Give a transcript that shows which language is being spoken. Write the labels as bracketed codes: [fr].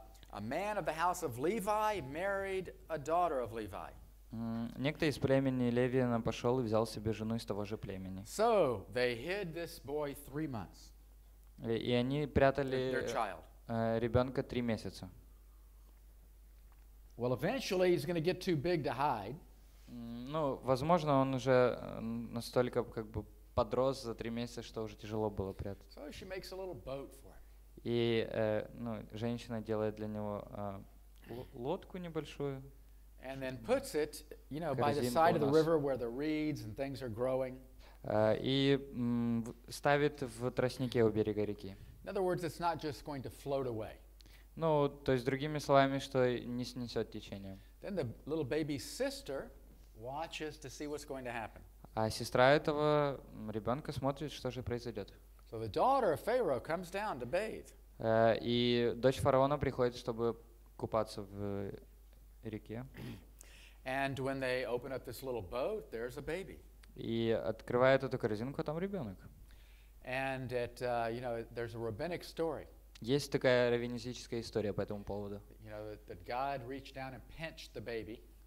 [en] A man of the house of Levi married a daughter of Levi. [ru] Некто из племени Левиана пошел и взял себе жену из того же племени. [en] So they hid this boy 3 months. [ru] И они прятали ребенка 3 месяца. [en] Well, eventually he's going to get too big to hide. [ru] Ну, возможно, он уже настолько как бы подрос за 3 месяца, что уже тяжело было прятать. [en] So she makes a little boat for him. [ru] И ну, женщина делает для него лодку небольшую. [en] And then puts it, you know, by the side of the river where the reeds and things are growing. [ru] И ставит в тростнике у берега реки. [en] In other words, it's not just going to float away. [ru] Ну, то есть другими словами, что не снесет течение. [en] Then the little baby sister watches to see what's going to happen. [ru] А сестра этого ребенка смотрит, что же произойдет. [en] So the daughter of Pharaoh comes down to bathe. [ru] И дочь фараона приходит, чтобы купаться в реке. [en] And when they open up this little boat, there's a baby. [ru] И открывает эту корзинку, а там ребенок. [en] And it, you know, there's a rabbinic story. [ru] Есть такая раввинистическая история по этому поводу. [en] You know, that God reached down and pinched the baby.